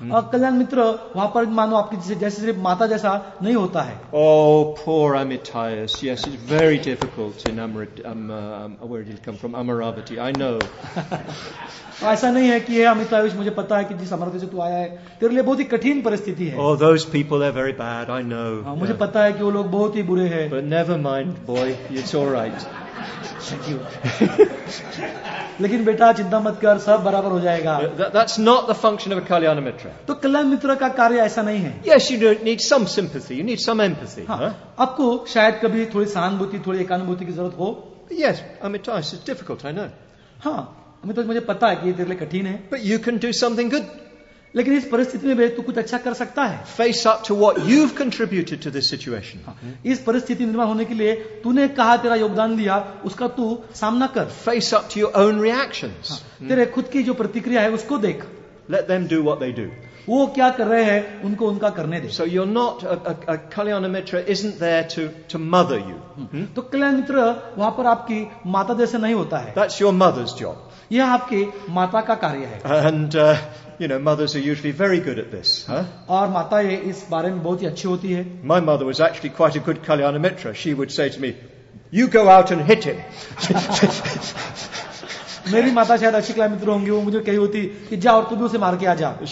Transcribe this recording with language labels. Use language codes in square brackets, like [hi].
[hi] कल्याण मित्र वहां पर मानो आपकी जैसे सिर्फ माता जैसा नहीं होता है. [en] Oh, poor Amitayus. Yes, it's very difficult in where did he come from? Amaravati. I know. [hi] ऐसा नहीं है कि ये अमितायुष मुझे पता है कि जिस अमरावती से तू आया है तेरे लिए बहुत ही कठिन परिस्थिति है. [en] Oh, those people are very bad. I know. [hi] मुझे पता है कि वो लोग बहुत ही बुरे हैं. [en] But never mind, boy. It's all right. Thank you. [hi] लेकिन बेटा चिंता मत कर सब बराबर हो जाएगा. [en] That's not the function of a Kalyana Mitra. [hi] तो कल्याण मित्र का कार्य ऐसा नहीं है. [en] Yes, you need some sympathy, you need some empathy. [hi] आपको शायद कभी थोड़ी सहानुभूति थोड़ी एकानुभूति की जरूरत हो. [en] Yes, Amitai, it's difficult, I know. [hi] हाँ अमित मुझे पता है कि ये तेरे लिए कठिन है. [en] But you can do something good. [hi] लेकिन इस परिस्थिति में तू कुछ अच्छा कर सकता है. [en] Face up to what you've contributed to this situation. [hi] इस परिस्थिति निर्माण होने के लिए तूने कहा तेरा योगदान दिया उसका तू सामना कर. [en] Face up to your own reactions. [hi] तेरे खुद की जो प्रतिक्रिया है उसको देख. [en] Let them do what they do. [hi] वो क्या कर रहे हैं उनको उनका करने दे. [en] So you're not a Kalyana Mitra isn't there to mother you. [hi] तो कल्याण मित्र वहां पर आपकी माता जैसे नहीं होता है. [en] That's your mother's job. [hi] यह आपके माता का कार्य है. [en] And you know, mothers are usually very good at this. [hi] और माताएं इस बारे में बहुत ही अच्छी होती है. [en] My mother was actually quite a good Kalyana Mitra. She would say to me, "You go out and hit him." [hi] मेरी माता शायद अच्छी कल्याण मित्र होंगी. वो मुझे कही होती कि जा और तू भी उसे मार के आ जा.